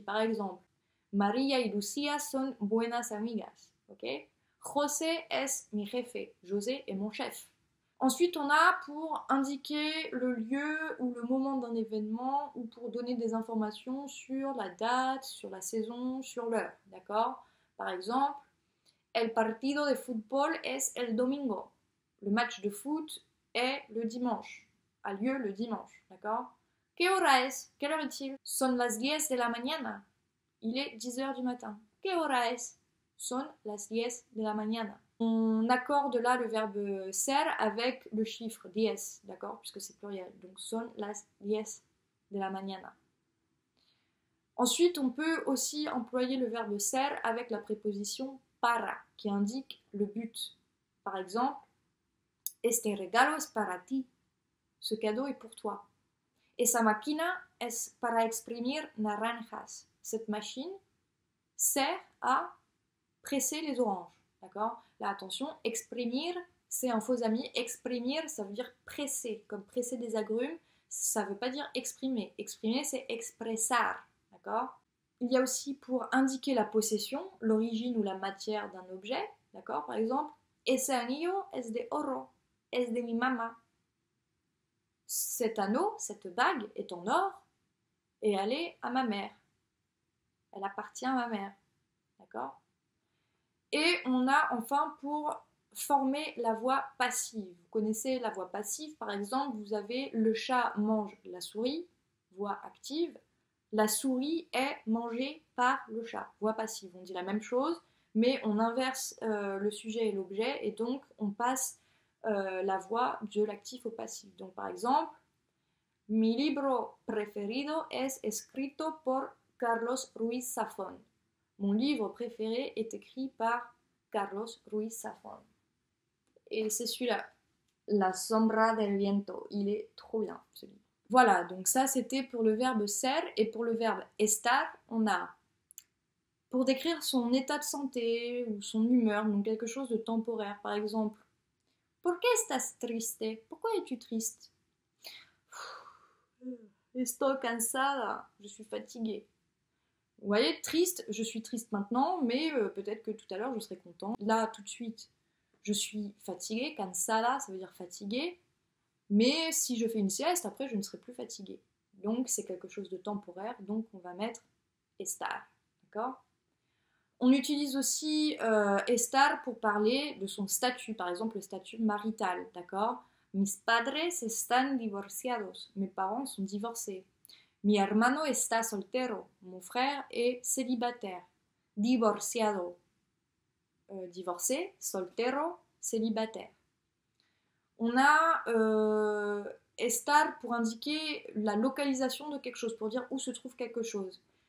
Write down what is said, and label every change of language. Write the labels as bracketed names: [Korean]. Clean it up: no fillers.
[French] Par exemple, [Spanish] Maria y Lucia son buenas amigas, ok? José es mi jefe, [French] José est mon chef. Ensuite, on a pour indiquer le lieu ou le moment d'un événement ou pour donner des informations sur la date, sur la saison, sur l'heure. D'accord? Par exemple, [Spanish] el partido de fútbol es el domingo. [French] Le match de foot est le dimanche. A lieu le dimanche. D'accord? [Spanish] ¿Qué hora es? [French] Quelle heure est-il? [Spanish] Son las 10 de la mañana. [French] Il est 10 h du matin. [Spanish] ¿Qué hora es? Son las 10 de la mañana. [French] On accorde là le verbe ser avec le chiffre 10, d'accord? Puisque c'est pluriel. Donc son las 10 de la mañana. Ensuite, on peut aussi employer le verbe ser avec la préposition para, qui indique le but. Par exemple, [Spanish] este regalo es para ti. [French] Ce cadeau est pour toi. [Spanish] Esa máquina es para exprimir naranjas. [French] Cette machine sert à presser les oranges. D'accord? Là, attention, exprimir, c'est un faux ami. Exprimir, ça veut dire presser, comme presser des agrumes. Ça ne veut pas dire exprimer. Exprimer, c'est expressar. D'accord? Il y a aussi pour indiquer la possession, l'origine ou la matière d'un objet. D'accord? Par exemple, ese anillo es de oro. Es de mi mamá. Cet anneau, cette bague est en or et elle est à ma mère. Elle appartient à ma mère. D'accord? Et on a enfin pour former la voix passive. Vous connaissez la voix passive, par exemple, vous avez le chat mange la souris, voix active. La souris est mangée par le chat, voix passive. On dit la même chose, mais on inverse le sujet et l'objet, et donc on passe la voix de l'actif au passif. Donc par exemple, [Spanish] mi libro preferido es escrito por Carlos Ruiz Zafón. [French] Mon livre préféré est écrit par Carlos Ruiz Zafón. Et c'est celui-là, La Sombra del Viento. Il est trop bien, ce livre. Voilà, donc ça c'était pour le verbe ser et pour le verbe estar, on a pour décrire son état de santé ou son humeur, donc quelque chose de temporaire. Par exemple, [Spanish] ¿Por qué estás triste? [French] Pourquoi es-tu triste? [Spanish] Estoy cansada, [French] je suis fatiguée. Vous voyez, triste, je suis triste maintenant, mais peut-être que tout à l'heure je serai contente. Là, tout de suite, je suis fatiguée, cansada, ça veut dire fatiguée. Mais si je fais une sieste, après, je ne serai plus fatiguée. Donc, c'est quelque chose de temporaire, donc on va mettre estar. D'accord? On utilise aussi estar pour parler de son statut, par exemple le statut marital. D'accord? [Spanish] Mis padres están divorciados. [French] Mes parents sont divorcés. [Spanish] Mi hermano está soltero. [French] Mon frère est célibataire. Divorciado. Divorcé, soltero, célibataire. On a estar pour indiquer la localisation de quelque chose, pour dire où se trouve quelque chose.